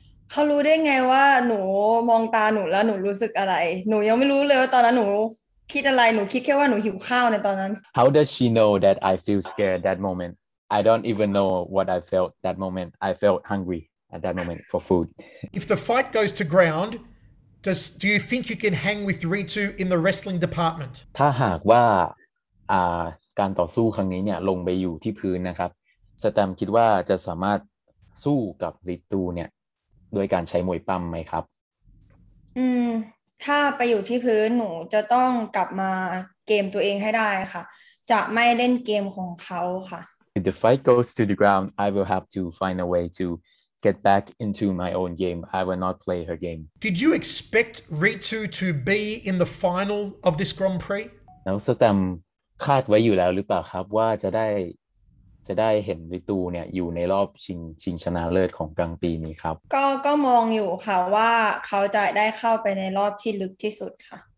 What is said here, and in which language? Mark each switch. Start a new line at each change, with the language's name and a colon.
Thai: เขารู้ได้ไงว่าหนูมองตาหนูแล้วหนูรู้สึกอะไรหนูยังไม่รู้เลยว่าตอนนั้นหนูคิดอะไรหนูคิดแค่ว่าหนูหิวข้าวในตอนนั้น
English: How does she know that I feel scared that moment? I don't even know what I felt that moment. I felt hungry at that moment for food. If the fight goes to ground, do you think you can hang with Ritu in the wrestling department?
Thai: ถ้าหากว่าการต่อสู้ครั้งนี้เนี่ยลงไปอยู่ที่พื้นนะครับสแตมคิดว่าจะสามารถสู้กับริตูเนี่ยด้วยการใช้มวยปั้มไหมครับ ถ้าไปอยู่ที่พื้นหนูจะต้องกลับมาเกมตัวเองให้ได้ค่ะจะไม่เล่นเกมของเขาค่ะ
English: If the fight goes to the ground, I will have to find a way to get back into my own game. I will not play her game. Did you expect Ritu to be in the final of this Grand Prix?
Thai: แล้วสแตมคาดไว้อยู่แล้วหรือเปล่าครับว่าจะได้ จะได้เห็นวิตูเนี่ยอยู่ในรอบชิงชนะเลิศของกลางปีนี้ครับ ก็มองอยู่ค่ะว่าเขาจะได้เข้าไปในรอบที่ลึกที่สุดค่ะ